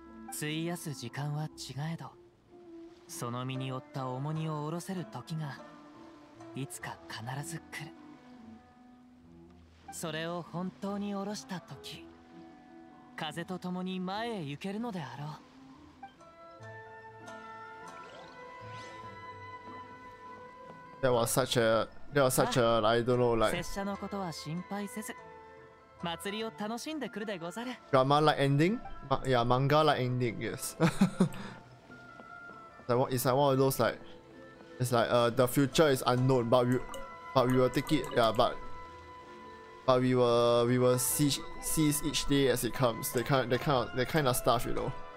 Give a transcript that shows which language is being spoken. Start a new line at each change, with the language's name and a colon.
Japanese: 費やす時間は違えど、その身に負った重荷を下ろせる時がいつか必ず来る。それを本当に下ろした時、風と共に前へ行けるのであろう。
English: That was such a, I don't know, like.
Japanese: 拙者のことは心配せず、祭りを楽しんでくるでござる。
English: Drama-like ending? Yeah, manga-like ending, yes. it's like one of those, like, it's like, the future is unknown, but we will take it, yeah, but we will seize each day as it comes, that kind of stuff, you know.